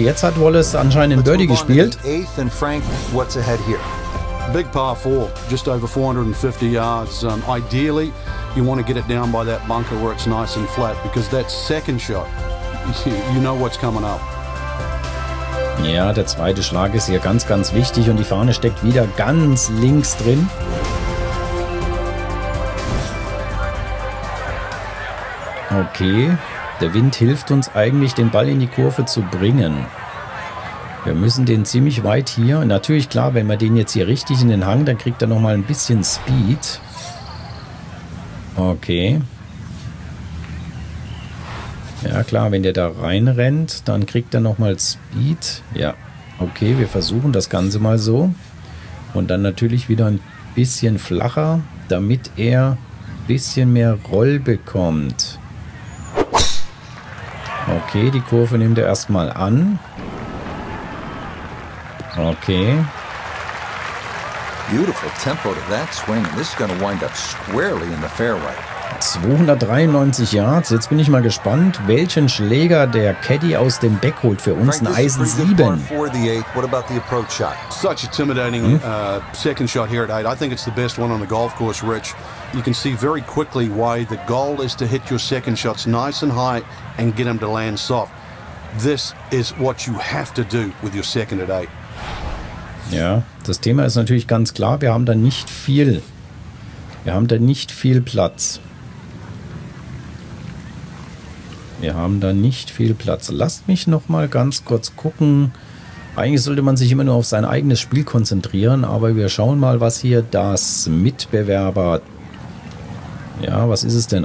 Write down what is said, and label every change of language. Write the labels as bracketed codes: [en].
[de] Jetzt hat Wallace anscheinend einen Birdie gespielt. [en] Eighth and Frank, what's ahead here? Big par 4, just over 450 yards. Ideally, you want to get it down by that bunker where it's nice and flat, because that second shot, you know what's coming up. [de] Ja, der zweite Schlag ist hier ganz, ganz wichtig und die Fahne steckt wieder ganz links drin. Okay, der Wind hilft uns eigentlich, den Ball in die Kurve zu bringen. Wir müssen den ziemlich weit hier. Natürlich, klar, wenn wir den jetzt hier richtig in den Hang, dann kriegt er nochmal ein bisschen Speed. Okay. Ja klar, wenn der da reinrennt, dann kriegt er nochmal Speed. Ja, okay, wir versuchen das Ganze mal so. Und dann natürlich wieder ein bisschen flacher, damit er ein bisschen mehr Roll bekommt. Okay, die Kurve nimmt er erstmal an. Okay. [en] Beautiful tempo to that swing. This is going to wind up squarely in the fairway. 293 Yards. [de] Jetzt bin ich mal gespannt, welchen Schläger der Caddy aus dem Beck holt für uns. Ein Eisen 7. [en] What about the approach shot? Such intimidating second shot here at 8. I think it's the best one on the golf course, Rich. You can see very quickly why the goal is to hit your second shots nice and high and get them to land soft. This is what you have to do with your second at eight. [de] Ja, das Thema ist natürlich ganz klar. Wir haben da nicht viel. Wir haben da nicht viel Platz. Wir haben da nicht viel Platz. Lasst mich noch mal ganz kurz gucken. Eigentlich sollte man sich immer nur auf sein eigenes Spiel konzentrieren, aber wir schauen mal, was hier das Mitbewerber. Ja, was ist es denn?